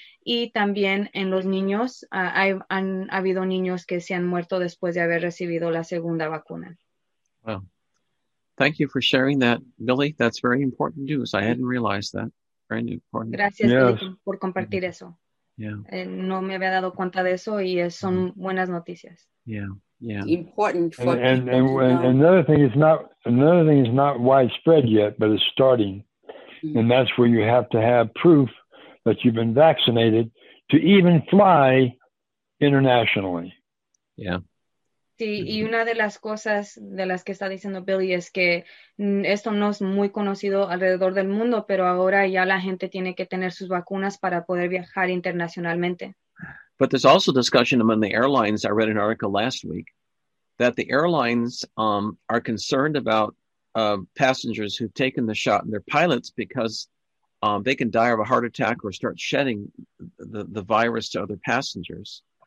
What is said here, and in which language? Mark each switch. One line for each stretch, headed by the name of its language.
Spanish: Y también en los niños, han habido niños que se han muerto después de haber recibido la segunda vacuna.
English: Wow. Thank you for sharing that, Billy. That's very important news. I hadn't realized that. Very important.
Spanish: Gracias, yes. Billy, por compartir eso.
English: Yeah.
Spanish: No me había dado cuenta de eso y son buenas noticias.
English: Yeah, yeah. Important for and another thing is not widespread yet, but it's starting. Mm-hmm. And that's where you have to have proof that you've been vaccinated to even fly internationally. Yeah.
Spanish: Sí, y una de las cosas de las que está diciendo Billy es que esto no es muy conocido alrededor del mundo, pero ahora ya la gente tiene que tener sus vacunas para poder viajar internacionalmente.
English: But there's also discussion among the airlines. I read an article last week that the airlines are concerned about passengers who've taken the shot and their pilots because they can die of a heart attack or start shedding the virus to other passengers.